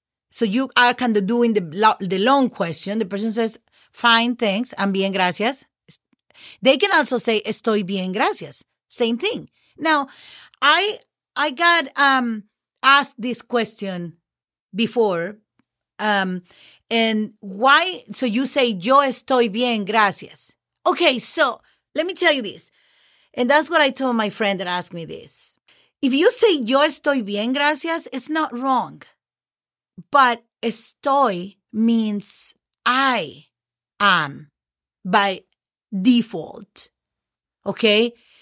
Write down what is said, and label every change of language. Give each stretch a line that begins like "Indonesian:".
English: So you are kind of doing the long question. The person says, fine, thanks. I'm
Spanish: bien, gracias.
English: They can also say,
Spanish: estoy bien, gracias.
English: Same thing. Now, I got asked this question before. And why? So you say,
Spanish: yo estoy bien, gracias.
English: Okay, so let me tell you this. And that's what I told my friend that asked me this. If you say,
Spanish: yo estoy bien, gracias,
English: it's not wrong. But estoy means I am by default. Okay?